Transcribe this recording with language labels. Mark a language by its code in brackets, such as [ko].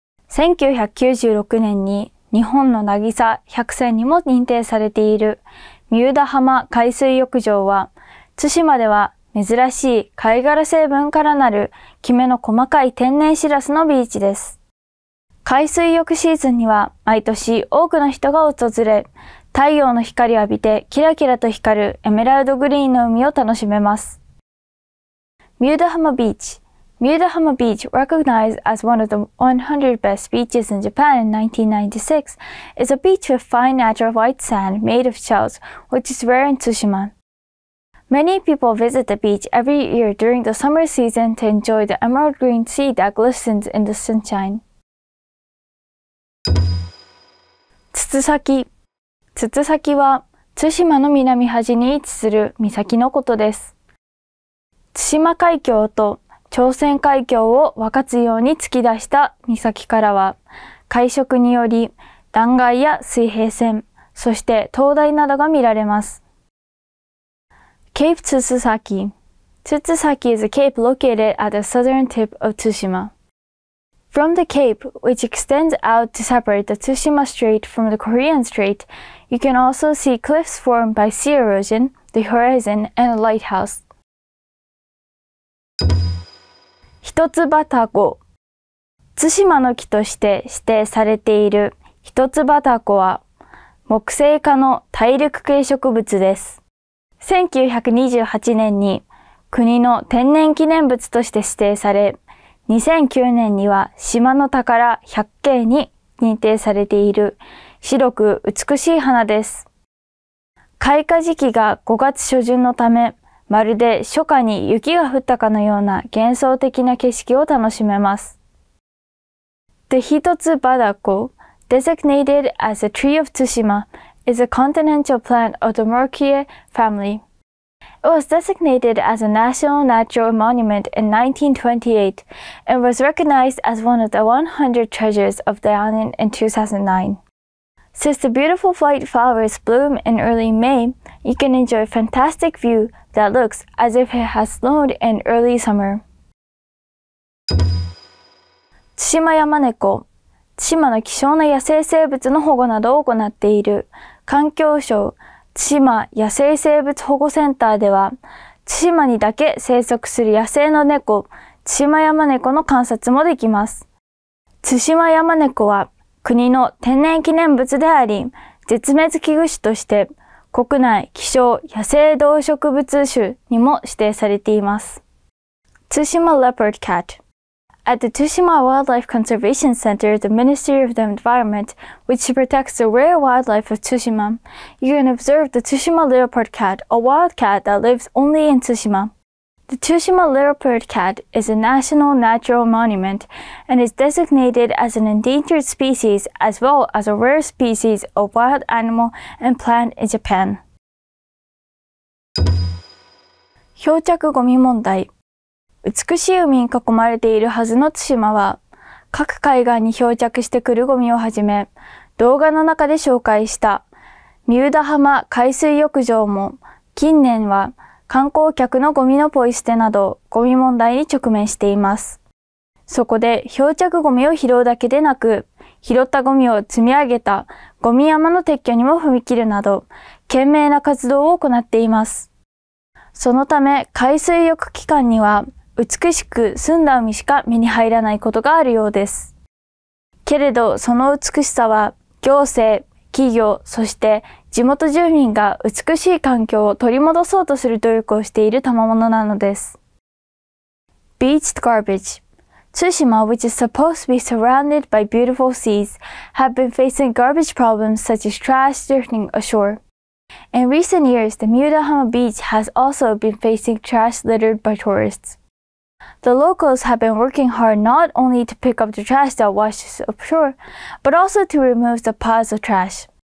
[ja] 1996年に日本の渚100選にも認定されている三浦浜海水浴場は、対馬では珍しい貝殻成分からなるキメの細かい天然シラスのビーチです。海水浴シーズンには毎年多くの人が訪れ、太陽の光を浴びてキラキラと光るエメラルドグリーンの海を楽しめます。ミューダハマビーチ。 [en] ミューダハマビーチ、recognized as one of the 100 best beaches in Japan in 1996, is a beach with fine natural white sand made of shells, which is rare in Tsushima. Many people visit the beach every year during the summer season to enjoy the emerald green sea that glistens in the sunshine. [ja] ツツサキ。ツツサキは、対馬の南端に位置する岬のことです。対馬海峡と朝鮮海峡を分かつように突き出した岬からは、海食により断崖や水平線、そして灯台などが見られます。 [en] Cape Tsutsusaki. Tsutsusaki is a cape located at the southern tip of Tsushima. From the cape, which extends out to separate the Tsushima Strait from the Korean Strait, you can also see cliffs formed by sea erosion, the horizon, and a lighthouse. [ja] 一つ葉タコ。対馬の木として指定されている一つ葉タコは、木生科の大陸系植物です。 1928年に国の天然記念物として指定され、2009年には島の宝100景に認定されている白く美しい花です。開花時期が5月初旬のため、まるで初夏に雪が降ったかのような幻想的な景色を楽しめます。 [en] The 一つ葉タコ、designated as a tree of Tsushima,is a continental plant of the Moraceae family. It was designated as a national natural monument in 1928 and was recognized as one of the 100 treasures of the island in 2009. Since the beautiful white flowers bloom in early May, you can enjoy a fantastic view that looks as if it has snowed in early summer. [ja] 対馬山猫。対馬の希少な野生生物の保護などを行っている環境省対馬野生生物保護センターでは、対馬にだけ生息する野生の猫、対馬ヤマネコの観察もできます。対馬ヤマネコは国の天然記念物であり、絶滅危惧種として国内希少野生動植物種にも指定されています。対馬レパードキャット。 [en] At the Tsushima Wildlife Conservation Center, the Ministry of the Environment, which protects the rare wildlife of Tsushima, you can observe the Tsushima leopard cat, a wild cat that lives only in Tsushima. The Tsushima leopard cat is a national natural monument and is designated as an endangered species as well as a rare species of wild animal and plant in Japan. [ja] 漂着ゴミ問題。美しい海に囲まれているはずの対馬は、各海岸に漂着してくるゴミをはじめ、動画の中で紹介した三浦浜海水浴場も、近年は観光客のゴミのポイ捨てなど、ゴミ問題に直面しています。そこで漂着ゴミを拾うだけでなく、拾ったゴミを積み上げたゴミ山の撤去にも踏み切るなど、懸命な活動を行っています。そのため海水浴期間には美しく澄んだ海しか目に入らないことがあるようです。けれどその美しさは行政、企業、そして地元住民が美しい環境を取り戻そうとする努力をしている賜物なのです。 [en] Beached garbage. Tsushima, which is supposed to be surrounded by beautiful seas, have been facing garbage problems such as trash drifting ashore. In recent years, the Miudahama beach has also been facing trash littered by tourists. The locals have been working hard not only to pick up the trash that washes offshore, but also to remove the piles of trash.